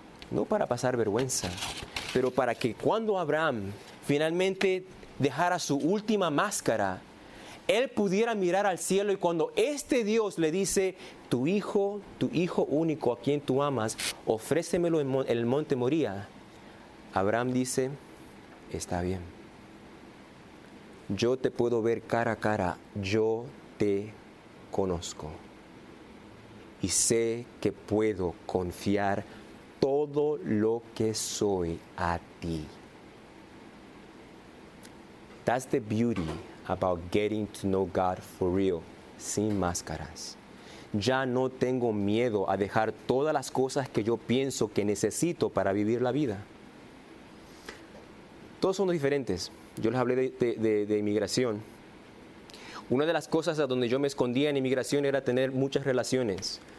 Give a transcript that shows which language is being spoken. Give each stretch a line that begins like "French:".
Spanish: No para pasar vergüenza, pero para que cuando Abraham finalmente dejara su última máscara, él pudiera mirar al cielo y cuando este Dios le dice, tu hijo único a quien tú amas, ofrécemelo en el monte Moría, Abraham dice, está bien. Yo te puedo ver cara a cara. Yo te conozco. Y sé que puedo confiar todo lo que soy a ti.
English: That's the beauty about getting to know God for real.
Spanish: Sin máscaras. Ya no tengo miedo a dejar todas las cosas que yo pienso que necesito para vivir la vida. Todos son diferentes. Yo les hablé de inmigración. Una de las cosas a donde yo me escondía en inmigración era tener muchas relaciones.